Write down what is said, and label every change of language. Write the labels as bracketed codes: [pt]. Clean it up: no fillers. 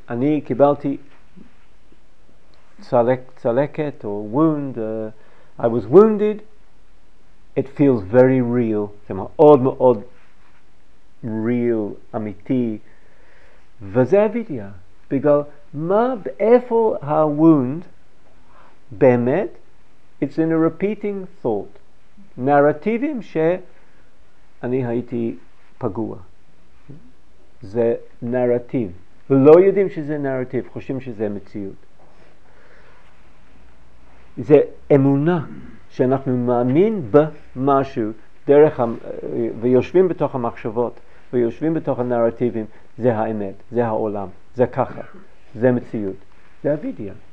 [he] אני קיבלתי צלקת [en] or wound, I was wounded, it feels very real. [he] זה מאוד מאוד real, אמיתי. וזה אבידיה. בגלל מה, איפה ה-wound באמת? [en] It's in a repeating thought. [he] נרטיבים שאני הייתי פגוע. זה נרטיב. לא יודעים שזה נרטיב, חושבים שזה מציאות. זה אמונה שאנחנו מאמין במשהו דרך ויושבים בתוך המחשבות ויושבים בתוך הנרטיבים, זה האמת, זה העולם, זה ככה, זה מציאות, זה אבידיה.